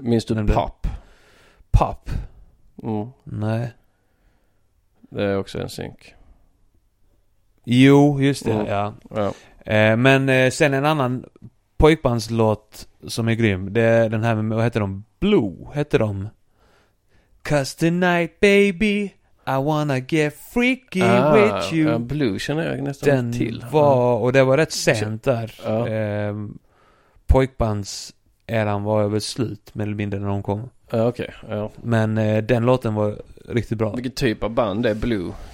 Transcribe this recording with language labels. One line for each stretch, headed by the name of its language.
Swedish: Minns du nämnde. Pop? Pop? Mm. Nej. Det är också NSYNC. Jo, just det. Mm. Ja. Ja. Men sen en annan pojkbandslåt som är grym. Det är den här med, vad heter de? Blue, heter de?
English: 'Cause tonight baby I wanna get freaky with you.
Swedish: Blue känner jag nästan den till. Den var, och det var rätt sent där. Ja. Pojkbands eran var över slut, mer eller mindre, när de kom. Okay. Ja. Men den låten var riktigt bra. Vilket typ av band är Blue?